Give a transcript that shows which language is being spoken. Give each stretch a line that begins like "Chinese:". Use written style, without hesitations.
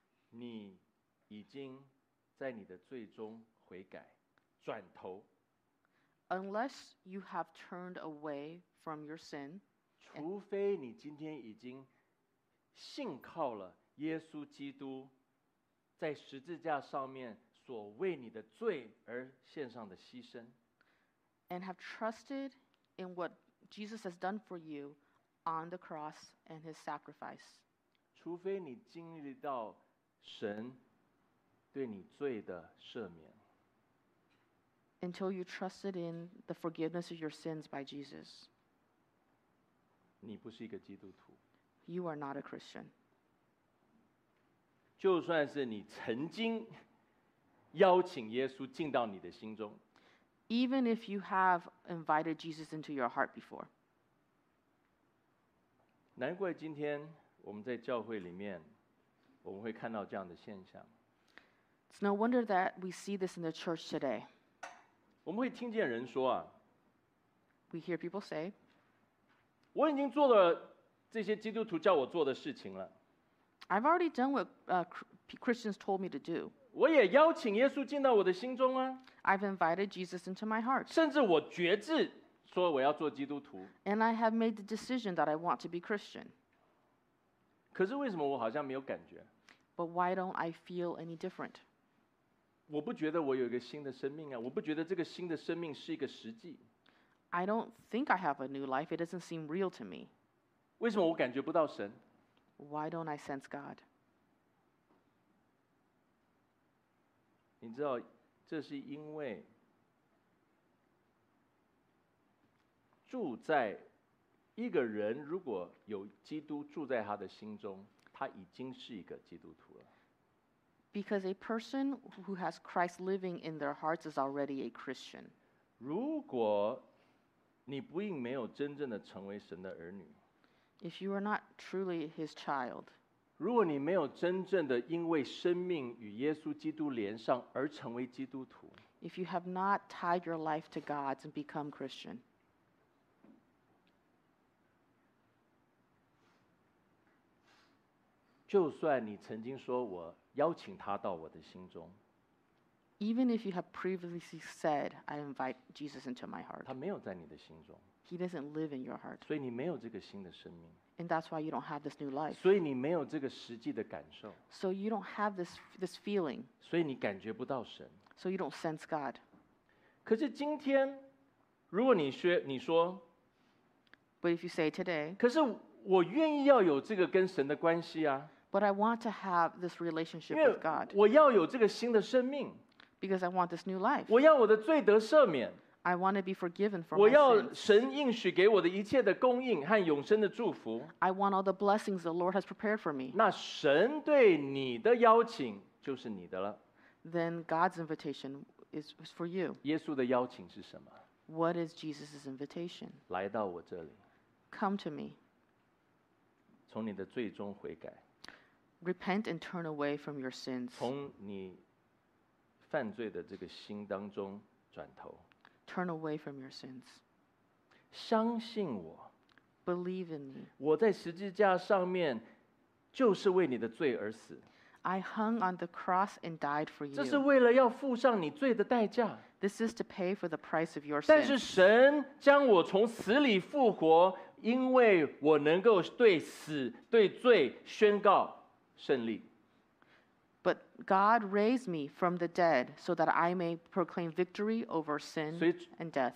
Chinese: 你已经在你的罪中悔改，转头。
English: Unless you have turned away from your sin,
Chinese: 除非你今天已经信靠了耶稣基督在十字架上面所为你的罪而献上的牺牲。
English: And have trusted in what Jesus has done for you on the cross and his sacrifice.
Chinese: 除非你经历到神对你罪的赦免。
English: Until you trusted in the forgiveness of your sins by Jesus.
Chinese: 你不是一个基督徒。
English: You are not a Christian.
Chinese: 就算是你曾经邀请耶稣进到你的心中。
English: Even if you have invited Jesus into your heart before.
Chinese: 难怪今天我们在教会里面我们会看到这样的现象。
English: It's no wonder that we see this in the church today.
Chinese: 我们会听见人说啊。
English: We hear people say.
Chinese: 我已经做了这些基督徒叫我做的事情了。
English: I've already done what Christians told me to do.
Chinese: 我也邀请耶稣进到我的心中啊。
English: I've invited Jesus into my heart.
Chinese: 甚至我决志说我要做基督徒。
English: And I have made the decision that I want to be Christian.
Chinese: 可是为什么我好像没有感觉？
English: But why don't I feel any different?
Chinese: 我不觉得我有一个新的生命啊，我不觉得这个新的生命是一个实际。
English: I don't think I have a new life. It doesn't seem real to me.
Chinese: 为什么我感觉不到神？
English: Why don't I sense God?
Chinese: 你知道，这是因为住在一个人如果有基督住在他的心中，他已经是一个基督徒了。
English: Because a person who has Christ living in their hearts is already a Christian.
Chinese: 如果你不应没有真正的成为神的儿女。
English: If you are not truly his child.
Chinese: 如果你没有真正的因为生命与耶稣基督连上而成为基督徒。
English: If you have not tied your life to God and become Christian.
Chinese: 就算你曾经说我邀请他到我的心中。
English: Even if you have previously said, I invite Jesus into my heart.
Chinese: 他没有在你的心中。
English: He doesn't live in your heart.
Chinese: 所以你没有这个新的生命。
English: And that's why you don't have this new life.
Chinese: 所以你没有这个实际的感受。
English: So you don't have this feeling.
Chinese: 所以你感觉不到神。
English: So you don't sense God.
Chinese: 可是今天，如果你说，
English: But if you say today,
Chinese: 可是我愿意要有这个跟神的关系啊。
English: But I want to have this relationship with God.
Chinese: 我要有这个新的生命。
English: Because I want this new life.
Chinese: 我要我的罪得赦免。
English: I want to be forgiven for my sins.
Chinese: 我要神应许给我的一切的供应和永生的祝福。
English: I want all the blessings the Lord has prepared for me.
Chinese: 那神对你的邀请就是你的了。
English: Then God's invitation is for you.
Chinese: 耶稣的邀请是什么？
English: What is Jesus' invitation?
Chinese: 来到我这里。
English: Come to me.
Chinese: 从你的罪中悔改。
English: Repent and turn away from your sins.
Chinese: 从你犯罪的这个心当中转头。
English: Turn away from your sins.
Chinese: 相信我。
English: Believe in me.
Chinese: 我在十字架上面就是为你的罪而死。
English: I hung on the cross and died for you.
Chinese: 这是为了要付上你罪的代价。
English: This is to pay for the price of your sins.
Chinese: 但是神将我从死里复活，因为我能够对死、对罪宣告胜利。
English: But God raised me from the dead so that I may proclaim victory over sin and death.